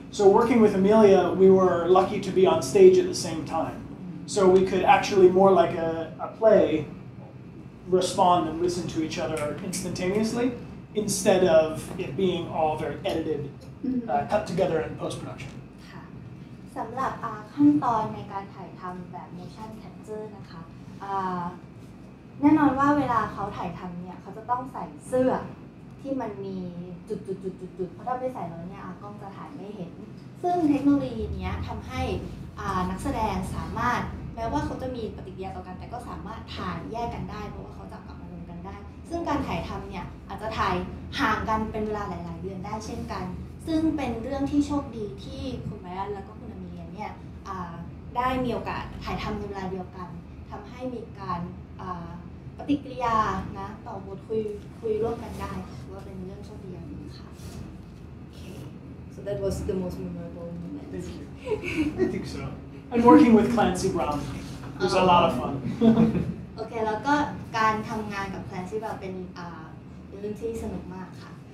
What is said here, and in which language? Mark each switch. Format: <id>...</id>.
<en>So working with Amelia, we were lucky to be on stage at the same time. So we could actually more like a play respond and listen to each other instantaneously instead of it being all very edited, cut together in post-production.</en> <th>สำหรับขั้นตอนในการถ่ายทำแบบ motion capture นะคะแน่นอนว่าเวลาเขาถ่ายทำเนี่ยเขาจะต้องใส่เสื้อที่มันมีจุดๆๆๆเพราะถ้าไม่ใส่แล้วเนี่ยกล้องจะถ่ายไม่เห็นซึ่งเทคโนโลยีเนี้ยทำให้ นักแสดงสามารถแม้ว่าเขาจะมีปฏิกิริยาต่อกันแต่ก็สามารถถ่ายแยกกันได้เพราะว่าเขาจับกับอารมณ์กันได้ซึ่งการถ่ายทำเนี่ยอาจจะถ่ายห่างกันเป็นเวลาหลายๆเดือนได้เช่นกันซึ่งเป็นเรื่องที่โชคดีที่คุณไบรอันแล้วก็คุณอเมเลียเนี่ยได้มีโอกาสถ่ายทำในเวลาเดียวกันทำให้มีการปฏิกิริยานะต่อบทคุยร่วมกันได้ว่าเป็นเรื่องโชคดีอย่างนึงค่ะโอเค</th> <en>so that was the most memorable moment I think so. And working with Clancy Brown was a lot of fun.</en> <th>Okay, แล้วก็การทำงานกับ Clancy Brown เป็นเรื่องที่สนุกมากค่ะ</th>